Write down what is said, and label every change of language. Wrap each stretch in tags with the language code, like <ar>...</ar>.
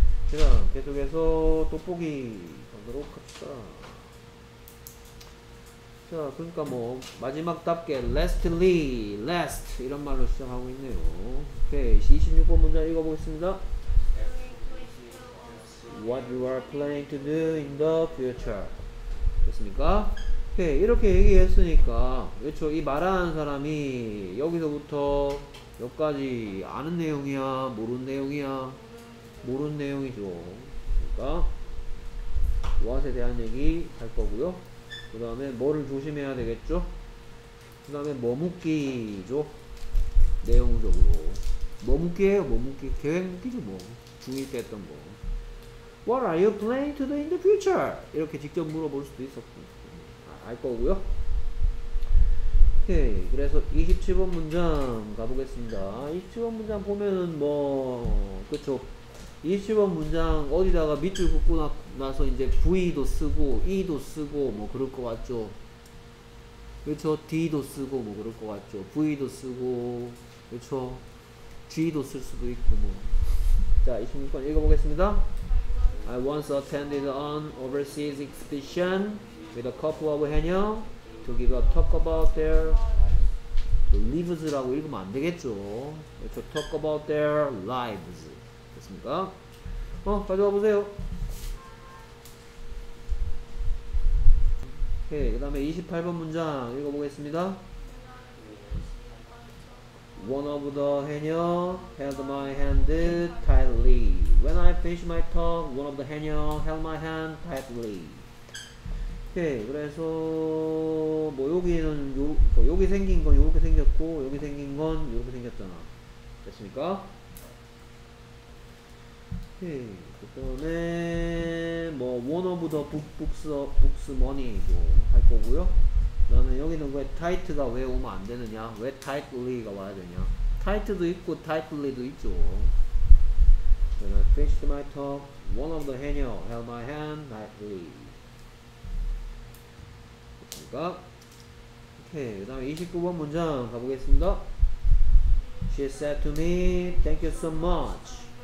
<ko>그럼 계속해서 돋보기 하도록 합시다. 자, 그러니까 뭐 마지막답게 lastly, last 이런 말로 시작하고 있네요. 오케이, 26번 문장 읽어보겠습니다.</ko> <en>What you are planning to do in the future.</en> <ko>됐습니까? 오케이, 이렇게 얘기했으니까 그렇죠, 이 말하는 사람이 여기서부터 여기까지 아는 내용이야, 모르는 내용이야? 모르는 내용이죠. 그러니까 what에 대한 얘기 할 거고요. 그 다음에 뭐를 조심해야 되겠죠? 그 다음에 머뭇기죠. 내용적으로 머뭇기예요. 머뭇기, 계획 묶기죠. 뭐 중1 때 했던 거.</ko> <en>What are you planning to do in the future?</en> <ko>이렇게 직접 물어볼 수도 있었고 알 거고요. 오케이, 그래서 27번 문장 가보겠습니다. 27번 문장 보면은 뭐 그쵸, 27번 문장 어디다가 밑줄 긋고 나서 이제 V도 쓰고 E도 쓰고 뭐 그럴 것 같죠. 그쵸, D도 쓰고 뭐 그럴 것 같죠. V도 쓰고 그쵸, G도 쓸 수도 있고 뭐. 자, 26번 읽어보겠습니다.</ko> <en>I once attended an overseas expedition with a couple of henyo to give a talk about their lives</en> <ko>라고 읽으면 안 되겠죠.</ko> <en>To talk about their lives.</en> <ko>됐습니까? 어, 가져와 보세요. 오케이, 그 다음에 28번 문장 읽어보겠습니다.</ko> <en>One of the henyo held my hand tightly. When I finished my talk, one of the henyo held my hand tightly.</en> <ko>오케이, 그래서 뭐 여기는 요, 여기 생긴 건 이렇게 생겼고 여기 생긴 건 이렇게 생겼잖아. 됐습니까? 오케이, 그 다음에 뭐 one of the books money도 할 거고요. 그러면 여기는 왜 tight가 왜 오면 안 되느냐? 왜 tightly가 와야 되냐? tight도 있고 tightly도 있죠.</ko> <en>When I finished my talk, one of the henyo held my hand tightly.</en> <ko>됐습니까? 오케이, 그 다음에 29번 문장 가보겠습니다.</ko> <en>She said to me, thank you so much.</en>